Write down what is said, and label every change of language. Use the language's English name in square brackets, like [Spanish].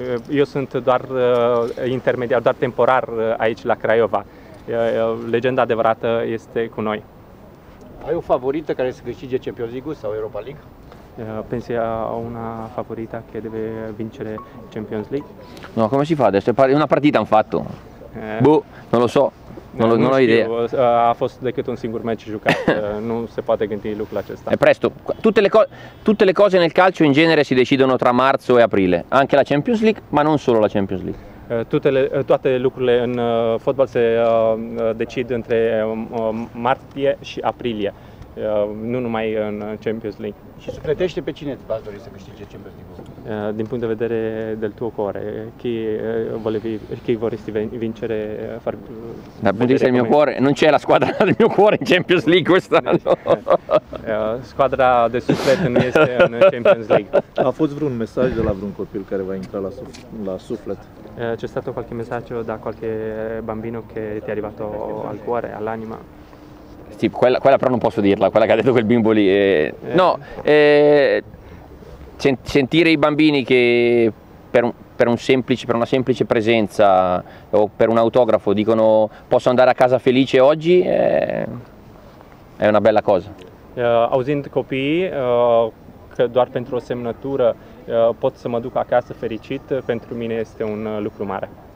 [Romanian] Eu sunt doar intermediar, doar temporar aici la Craiova. Legenda adevărată este cu noi. Ai o favorită care să câștige Champions League sau Europa League? [Italian] Pensi a una favorita che deve vincere Champions League? No, come si fa adesso? È una partita hanno fatto. Non lo so. Non ho idea. [Romanian] A fost decât un singur match jucat, nu se poate gândi lucrul acesta. [Italian] È presto. Tutte le cose nel calcio in genere si decidono tra marzo e aprile. Anche la Champions League, ma non solo la Champions League. [Romanian] Toate lucrurile în fotbal se decid între martie și aprilie, nu numai în Champions League. Și sufletește pe cine v-ați dori să câștige Champions League? Din punct de vedere [Italian] del tuo cuore, chi vorresti vincere? Dal punto di vista del mio cuore, non c'è la squadra del mio cuore in Champions League quest'anno. [Romanian] Squadra de suflet nu este în Champions League. A fost vreun mesaj de la vreun copil care va intra la suflet? [Italian] C'è stato qualche messaggio da qualche bambino che ti è arrivato al cuore, all'anima? Sì, quella però non posso dirla, quella che ha detto quel bimbo lì. Sentire i bambini che per una semplice presenza o per un autografo dicono posso andare a casa felice oggi, è una bella cosa. [Romanian] Auzind copiii că doar pentru o semnătură pot să mă duc acasă fericit, pentru mine este un lucru mare.